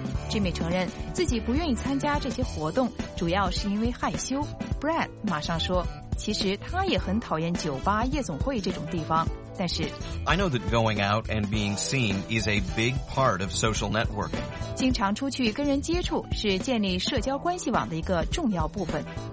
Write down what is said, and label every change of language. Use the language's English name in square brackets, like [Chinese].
[Chinese] Jimmy 承认自己不愿意参加这些活动，主要是因为害羞。 Brad 马上说，其实他也很讨厌酒吧、夜总会这种地方，但是 [English] I know that going out and being seen is a big part of social networking. [Chinese] 经常出去跟人接触是建立社交关系网的一个重要部分。